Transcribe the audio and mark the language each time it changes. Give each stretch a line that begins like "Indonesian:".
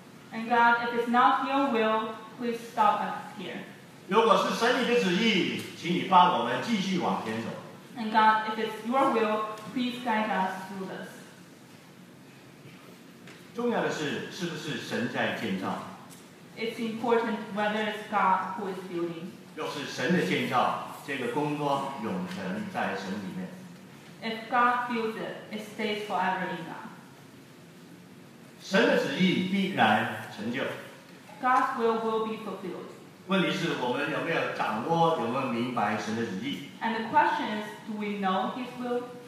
English: And God, if it's not your will, please stop us here.
Chinese: 如果是神你的旨意，请你帮我们继续往前走。
English: And God, if it's your will, please guide us through this.
Chinese: 重要的是，是不是神在建造？
English: It's important whether it's God who is building.
Chinese: 若是神的建造，这个工作永存在神里面。
English: If God builds it, it stays forever in God.
Chinese: 神的旨意必然成就。
English: God's will be fulfilled.
Chinese: 问题是我们有没有掌握，有没有明白神的旨意？
English: And the question is, do we know His will?